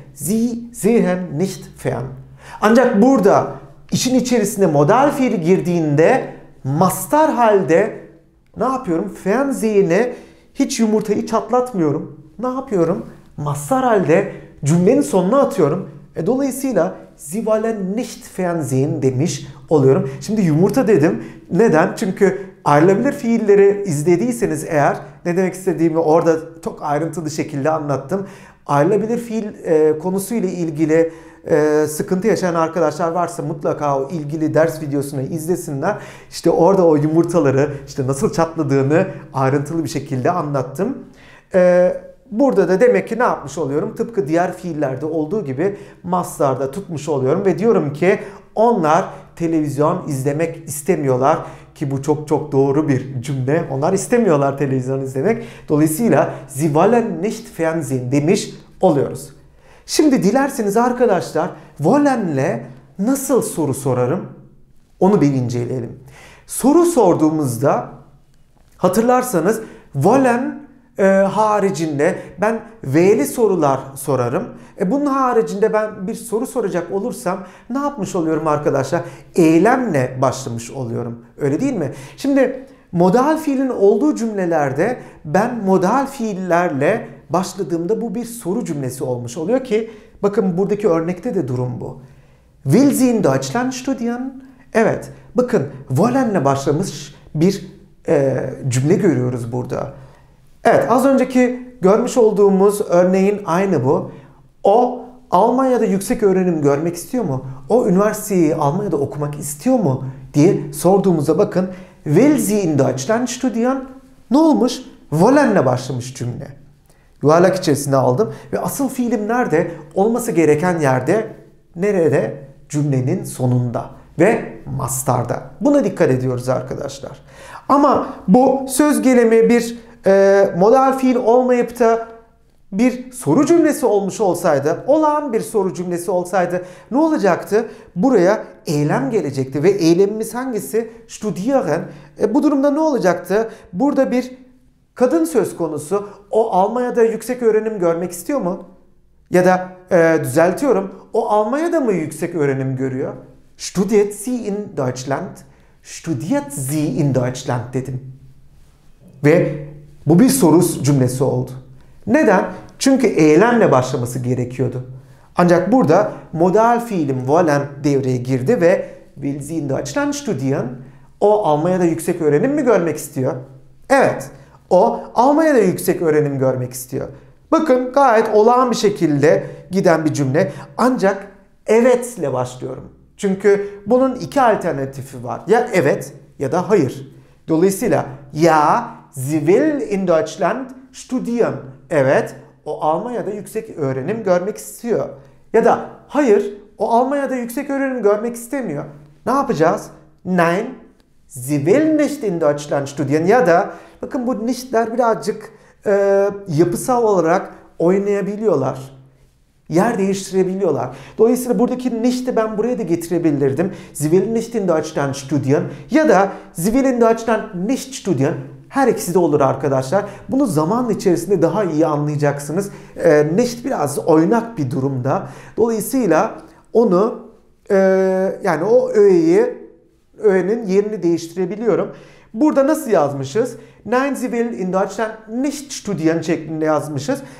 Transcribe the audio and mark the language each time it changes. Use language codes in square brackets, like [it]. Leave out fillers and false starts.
[de] Sie sehen nicht fern. [tr] Ancak burada işin içerisinde modal fiili girdiğinde mastar halde ne yapıyorum? Fernsehen'i Hiç yumurtayı çatlatmıyorum. Ne yapıyorum? Mazhar halde cümlenin sonuna atıyorum. Dolayısıyla [de] Sie wollen nicht fernsehen [tr] demiş oluyorum. Şimdi yumurta dedim. Neden? Çünkü ayrılabilir fiilleri izlediyseniz eğer ne demek istediğimi orada çok ayrıntılı şekilde anlattım. Ayrılabilir fiil konusuyla ilgili sıkıntı yaşayan arkadaşlar varsa mutlaka o ilgili ders videosunu izlesinler. İşte orada o yumurtaları işte nasıl çatladığını ayrıntılı bir şekilde anlattım. Burada da demek ki ne yapmış oluyorum? Tıpkı diğer fiillerde olduğu gibi mazhar tutmuş oluyorum ve diyorum ki onlar televizyon izlemek istemiyorlar ki bu çok çok doğru bir cümle. Onlar istemiyorlar televizyon izlemek. Dolayısıyla [de] Sie wollen nicht fernsehen [tr] demiş oluyoruz. Şimdi dilerseniz arkadaşlar wollen'le nasıl soru sorarım? Onu bir inceleyelim. Soru sorduğumuzda hatırlarsanız wollen haricinde ben V'li sorular sorarım. Bunun haricinde ben bir soru soracak olursam ne yapmış oluyorum arkadaşlar? Eylemle başlamış oluyorum. Öyle değil mi? Şimdi modal fiilin olduğu cümlelerde ben modal fiillerle başladığımda bu bir soru cümlesi olmuş oluyor ki bakın buradaki örnekte de durum bu. [de] Will Sie in Deutschland studieren? [tr] Evet. Bakın wollen'le başlamış bir cümle görüyoruz burada. Evet, az önceki görmüş olduğumuz örneğin aynı bu. O Almanya'da yüksek öğrenim görmek istiyor mu? O üniversiteyi Almanya'da okumak istiyor mu diye sorduğumuzda bakın, [de] Will sie in Deutschland studieren? [tr] Ne olmuş? Wollen'le başlamış cümle. Yuvarlak içerisinde aldım ve asıl fiilim nerede? Olması gereken yerde, nerede? Cümlenin sonunda ve mastarda. Buna dikkat ediyoruz arkadaşlar. Ama bu söz gelimi bir modal fiil olmayıp da bir soru cümlesi olmuş olsaydı, olağan bir soru cümlesi olsaydı ne olacaktı? Buraya eylem gelecekti ve eylemimiz hangisi? Studieren. Bu durumda ne olacaktı? Burada bir kadın söz konusu. O Almanya'da yüksek öğrenim görmek istiyor mu? Ya da düzeltiyorum. O Almanya'da mı yüksek öğrenim görüyor? [de] Studiert sie in Deutschland? Studiert sie in Deutschland [tr] dedim. Ve bu bir soru cümlesi oldu. Neden? Çünkü eylemle başlaması gerekiyordu. Ancak burada modal fiilim wollen devreye girdi ve [de] Will sie in Deutschland studieren? [tr] O Almanya'da yüksek öğrenim mi görmek istiyor? Evet. O Almanya'da yüksek öğrenim görmek istiyor. Bakın gayet olağan bir şekilde giden bir cümle. Ancak evet ile başlıyorum. Çünkü bunun iki alternatifi var. Ya evet ya da hayır. Dolayısıyla ya [de] Sie will in Deutschland studieren. [tr] Evet, o Almanya'da yüksek öğrenim görmek istiyor. Ya da hayır, o Almanya'da yüksek öğrenim görmek istemiyor. Ne yapacağız? [de] Nein, sie will nicht in Deutschland studieren. [tr] Ya da bakın bu nicht'ler birazcık yapısal olarak oynayabiliyorlar. Yer değiştirebiliyorlar. Dolayısıyla buradaki nicht'i ben buraya da getirebilirdim. [de] Sie will nicht in Deutschland studieren. [tr] Ya da [de] sie will in Deutschland nicht studieren. [tr] Her ikisi de olur arkadaşlar. Bunu zaman içerisinde daha iyi anlayacaksınız. Nicht biraz oynak bir durumda. Dolayısıyla onu yani o öğenin yerini değiştirebiliyorum. Burada nasıl yazmışız? [de] Nein, sie will in Deutschland nicht studieren [tr] şeklinde yazmışız.